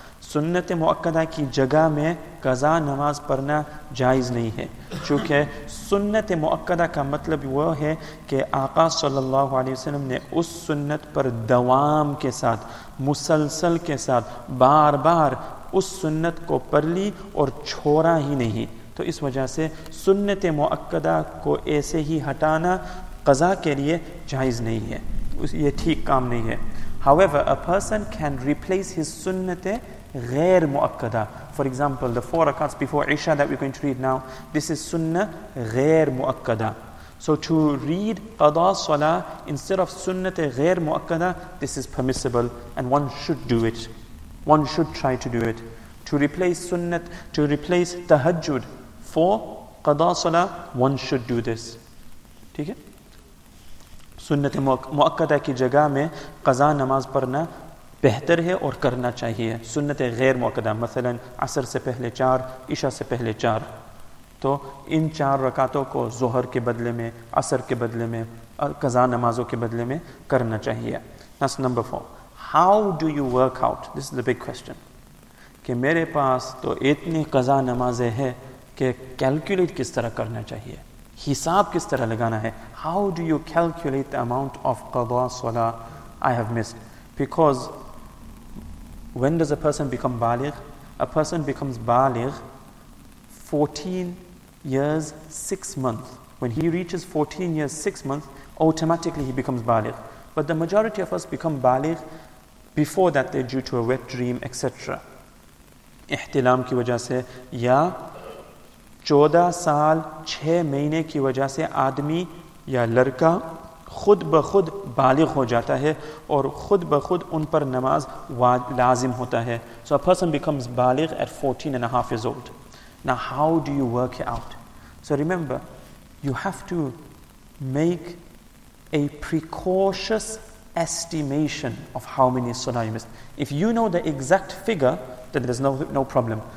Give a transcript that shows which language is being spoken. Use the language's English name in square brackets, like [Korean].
[Urdu] سنت مؤکدہ کی جگہ میں قضا نماز پڑھنا جائز نہیں ہے, چونکہ سنت مؤکدہ کا مطلب وہ ہے کہ آقا صلی اللہ علیہ وسلم نے اس سنت پر دوام کے ساتھ, مسلسل کے ساتھ بار بار اس سنت کو پڑھ لی اور چھوڑا ہی نہیں. تو اس وجہ سے سنت مؤکدہ کو ایسے ہی ہٹانا قضا کے لیے جائز نہیں ہے, یہ ٹھیک کام نہیں ہے. [English] However, a person can replace his sunnate ghair muakkadah. For example, the four rakats before Isha that we're going to read now, this is sunnah ghair muakkadah. So to read qada salah instead of sunnate ghair muakkadah, this is permissible and one should do it. One should try to do it. To replace sunnat, to replace tahajjud for qada salah, one should do this. [Urdu] ٹھیک ہے؟ سنت مؤکدہ کی جگہ میں قضا نماز پڑھنا بہتر ہے اور کرنا چاہیے. سنت غیر مؤکدہ مثلا عصر سے پہلے چار, عشاء سے پہلے چار, تو ان چار رکعتوں کو ظہر کے بدلے میں, عصر کے بدلے میں, قضا نمازوں کے بدلے میں کرنا چاہیے. [English] That's number four. How do you work out? This is the big question. [Urdu] کہ میرے پاس تو اتنی قضا نمازیں ہیں کہ کیلکولیٹ کس طرح کرنا چاہیے, حساب کس طرح لگانا ہے. [English] How do you calculate the amount of qada salah I have missed? Because when does a person become baligh? A person becomes baligh 14 years 6 months. When he reaches 14 years 6 months, automatically he becomes baligh. But the majority of us become baligh before that, they're due to a wet dream, etc. [Urdu] احتلام کی وجہ سے, یا [English] 14 years 6 months [Urdu] کی وجہ سے آدمی یا لڑکا خود بخود بالغ ہو جاتا ہے اور خود بخود ان پر نماز لازم ہوتا ہے. [English] So a person becomes baligh at 14 and a half years old. Now how do you work it out? So remember, you have to make a precautious estimation of how many salah you missed. If you know the exact figure, then there's no problem.